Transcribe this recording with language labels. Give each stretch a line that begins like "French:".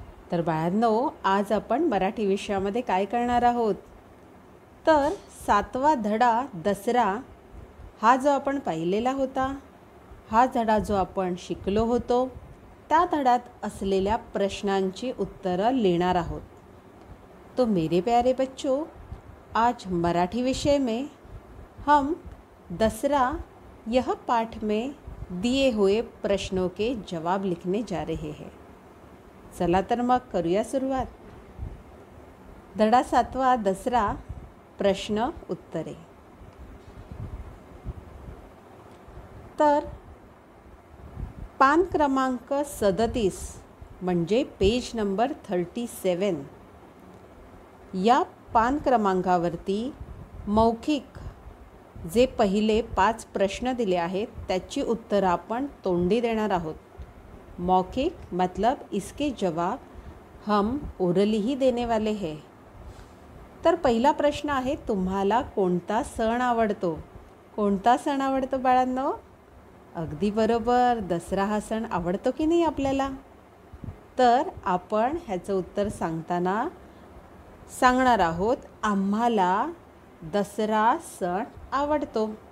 Marathi: तर बाळांनो, आज आपण मराठी विषयामध्ये काय करणार आहोत, तर सातवा धडा दसरा हा जो आपण पाहिलेला होता, हा धडा जो आपण शिकलो होतो, त्या धड्यात असलेल्या प्रश्नांची उत्तरं लिहिणार आहोत।
Hindi: तो मेरे प्यारे बच्चों, आज मराठी विषय में हम दसरा यह पाठ में दिए हुए प्रश्नों के जवाब लिखने जा रहे हैं।
Marathi: चला तर मग करूया सुरुवात। धडा सातवा दसरा, प्रश्न उत्तरे। तर पान क्रमांक 37 म्हणजे पेज नंबर 37 या पान क्रमांकावरती मौखिक जे पहिले 5 प्रश्न दिले आहेत त्याची उत्तर आपण तोंडी देणार आहोत।
Hindi: मौखिक मतलब इसके जवाब हम ओरली ही देने वाले है।
Marathi: तर पहिला प्रश्न आहे, तुम्हाला कोणता सण आवडतो? कोणता सण आवडतो बाळांनो? अगदी बरोबर, दसरा हा सण आवडतो की नाही आपल्याला? तर आपण ह्याचं उत्तर सांगताना सांगणार आहोत, आम्हाला दसरा सण आवडतो।